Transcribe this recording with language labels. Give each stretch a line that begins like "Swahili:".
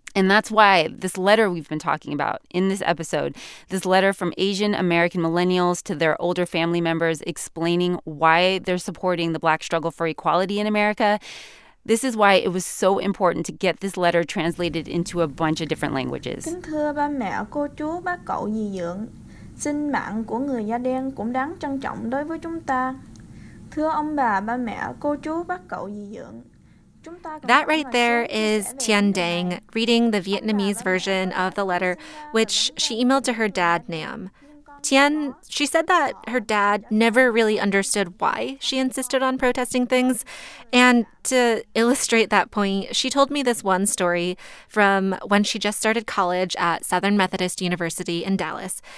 English: And that's why this letter we've been talking about in this episode, this letter from Asian American millennials to their older family members explaining why they're supporting the Black struggle for equality in America. This is why it was so important to get this letter translated into a bunch of different languages.
Vietnamese: Kính thưa ba mẹ, cô chú, bác cậu, dì dượng, sinh mạng của người da đen cũng đáng trân trọng đối với chúng ta. Thưa ông bà, ba mẹ, cô chú, bác cậu, dì dượng.
English: That right there is Tien Dang reading the Vietnamese version of the letter, which she emailed to her dad, Nam. Tien, she said that her dad never really understood why she insisted on protesting things. And to illustrate that point, she told me this one story from when she just started college at Southern Methodist University in Dallas.